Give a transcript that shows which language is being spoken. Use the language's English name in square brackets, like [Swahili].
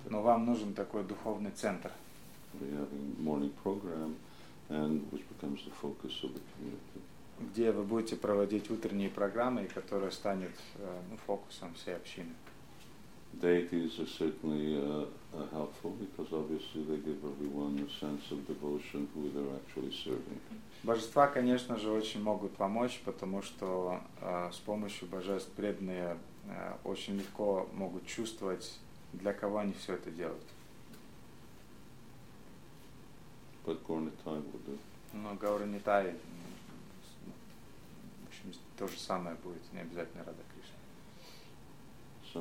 [Russian] Но вам нужен такой духовный центр. [English] We have a morning program, and which becomes the focus of the community. [Russian] Где вы будете проводить утренние программы, и которая станет фокусом всей общины. [English] Deities are certainly helpful because obviously they give everyone a sense of devotion who they're actually serving. [Russian] Божества, конечно же, очень могут помочь, потому что с помощью божеств преданные очень легко могут чувствовать, для кого они все это делают. [English] But Gaur-Nitai will do. [Russian] Но Гаур-Нитай, в общем, то же самое будет, не обязательно Рада Кришна.